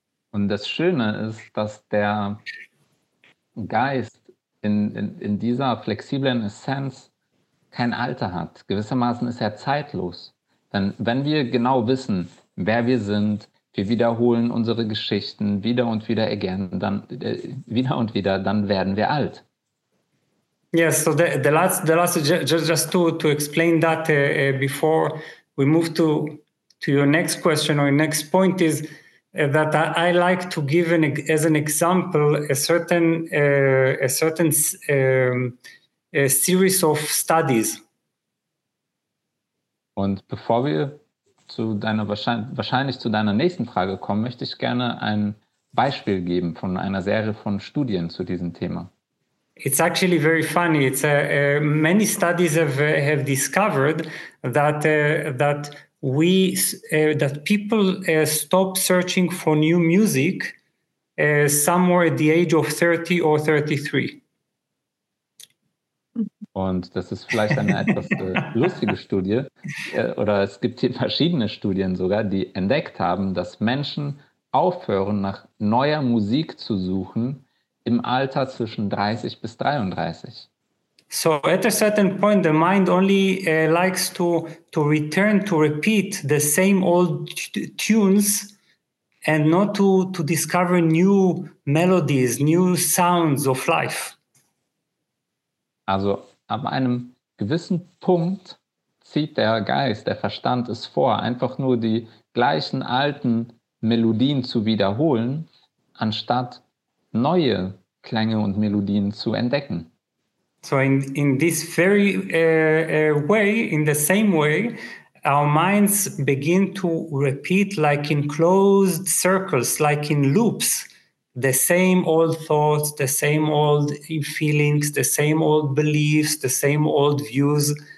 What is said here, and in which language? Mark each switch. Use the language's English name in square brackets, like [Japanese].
[German] Und das Schöne ist, dass der Geist in dieser flexiblen Essenz kein Alter hat. Gewissermaßen ist er zeitlos. Denn wenn wir genau wissen, wer wir sind, wir wiederholen unsere Geschichten wieder und wieder again, dann werden wir alt. [English] Yes, so the last, just to explain that before we move to your next question or your next point is that I like to give as an example a series of studies. [German] Und bevor wir zu deiner wahrscheinlich zu deiner nächsten Frage kommen, möchte ich gerne ein Beispiel geben von einer Serie von Studien zu diesem Thema. [English] It's actually very funny. It's many studies have discovered that people stop searching for new music somewhere at the age of 30 or 33. [German] Und das ist vielleicht eine etwas lustige Studie, oder es gibt hier verschiedene Studien sogar, die entdeckt haben, dass Menschen aufhören, nach neuer Musik zu suchen im Alter zwischen 30 bis 33. [English] So at a certain point, the mind only likes to return, to repeat the same old tunes and not to discover new melodies, new sounds of life. [German] Also ab einem gewissen Punkt zieht der Geist, der Verstand es vor, einfach nur die gleichen alten Melodien zu wiederholen, anstatt neue Klänge und Melodien zu entdecken. [English] So in this very way, in the same way, our minds begin to repeat like in closed circles, like in loops, the same old thoughts, the same old feelings, the same old beliefs, the same old views.